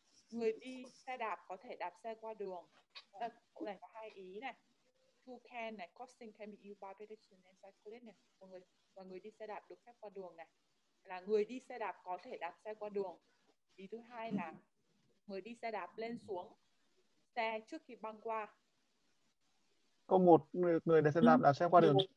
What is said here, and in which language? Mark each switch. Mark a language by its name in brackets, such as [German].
[Vietnamese] Người đi xe đạp có thể đạp xe qua đường. Cũng này có hai ý này. [English] Who can này, crossing can be used by pedestrian and cyclist này. [Vietnamese] Và người đi xe đạp được phép qua đường này. Là người đi xe đạp có thể đạp xe qua đường. Ý thứ hai là người đi xe đạp lên xuống xe trước khi băng qua. Câu một, người đi xe đạp đạp xe qua đường.